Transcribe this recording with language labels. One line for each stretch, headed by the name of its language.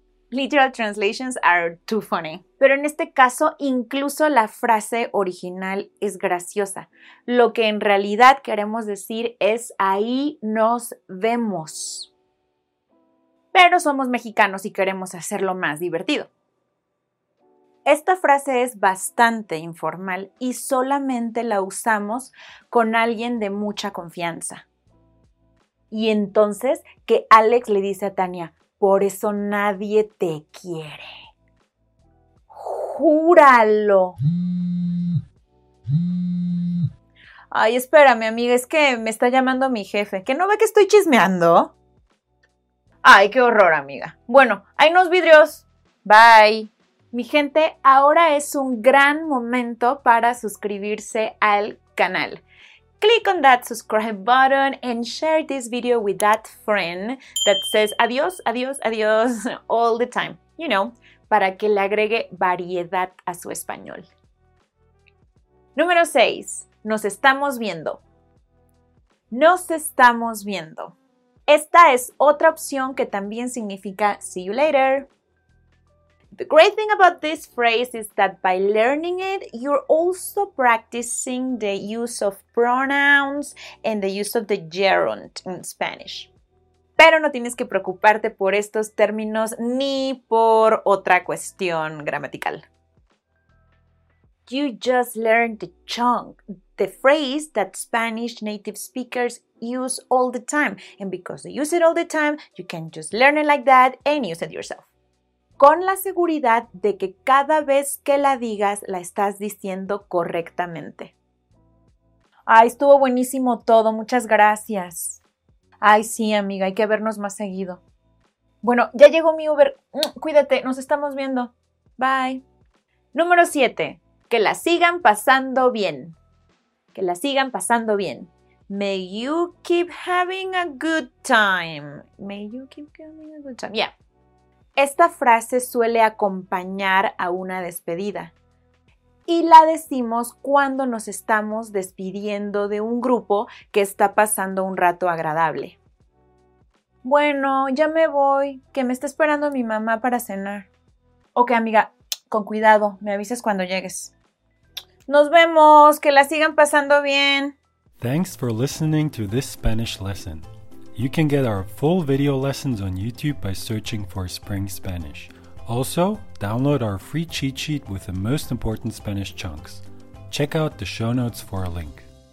English: Literal translations are too funny.
Spanish: Pero en este caso, incluso la frase original es graciosa. Lo que en realidad queremos decir es ahí nos vemos. Pero somos mexicanos y queremos hacerlo más divertido. Esta frase es bastante informal y solamente la usamos con alguien de mucha confianza. Y entonces que Alex le dice a Tania, por eso nadie te quiere. ¡Júralo! Ay, espérame, amiga, es que me está llamando mi jefe. ¿Que no ve que estoy chismeando? Ay, qué horror, amiga. Bueno, ahí nos vidrios. Bye. Mi gente, ahora es un gran momento para suscribirse al canal.
English: Click on that subscribe button and share this video with that friend that says
Spanish: adiós, adiós, adiós
English: all the time. You know,
Spanish: para que le agregue variedad a su español. Número 6. Nos estamos viendo. Nos estamos viendo. Esta es otra opción que también significa
English: see you later. The great thing about this phrase is that by learning it, you're also practicing the use of pronouns and the use of the gerund in Spanish.
Spanish: Pero no tienes que preocuparte por estos términos ni por otra cuestión gramatical.
English: You just learned the chunk, the phrase that Spanish native speakers use all the time. And because they use it all the time, you can just learn it like that and use it yourself.
Spanish: Con la seguridad de que cada vez que la digas, la estás diciendo correctamente. Ay, estuvo buenísimo todo, muchas gracias. Ay, sí, amiga, hay que vernos más seguido. Bueno, ya llegó mi Uber. Cuídate, nos estamos viendo. Bye. Número 7. Que la sigan pasando bien. Que la sigan pasando bien.
English: May you keep having a good time. May you keep having a good time. Yeah.
Spanish: Esta frase suele acompañar a una despedida. Y la decimos cuando nos estamos despidiendo de un grupo que está pasando un rato agradable. Bueno, ya me voy, que me está esperando mi mamá para cenar. Ok, amiga, con cuidado, me avisas cuando llegues. ¡Nos vemos! ¡Que la sigan pasando bien!
English: Thanks for listening to this Spanish lesson. You can get our full video lessons on YouTube by searching for Spring Spanish. Also, download our free cheat sheet with the most important Spanish chunks. Check out the show notes for a link.